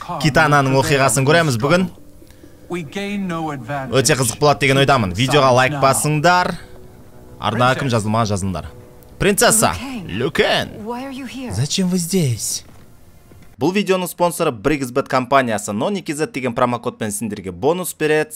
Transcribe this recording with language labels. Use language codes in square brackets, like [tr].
[kk] Китананың оқиғасын көреміз бүгін. Өте қызық болады деген ойдамын. Видеоға лайк басыңдар. Арнаға кім жазылмаған жазылыңдар. [ru] Принцесса, Лю Кэн. Зачем вы здесь? [kk] Бұл видеоның спонсоры BrigsBet компаниясы. Нони кезет деген промокодпен сіндерге бонус береді.